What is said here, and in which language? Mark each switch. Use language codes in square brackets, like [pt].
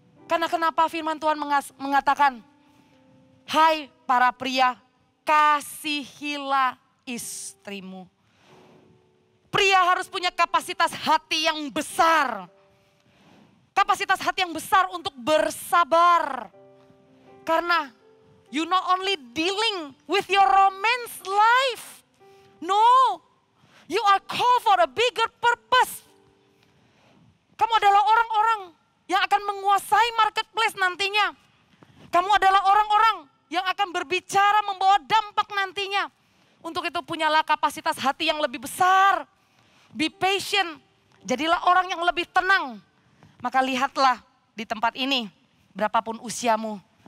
[id] Karena kenapa firman Tuhan mengatakan, hai para pria, kasihilah istrimu. Pria harus punya kapasitas hati yang besar. Kapasitas hati yang besar untuk bersabar. [en] Karena you not only dealing with your romance life. No, you are called for a bigger purpose. [id] Kamu adalah orang-orang yang akan menguasai marketplace nantinya. Kamu adalah orang-orang yang akan berbicara membawa dampak nantinya. Untuk itu punyalah kapasitas hati yang lebih besar. [en] Be patient. [id] Jadilah orang yang lebih tenang. Maka lihatlah di tempat ini, berapapun usiamu.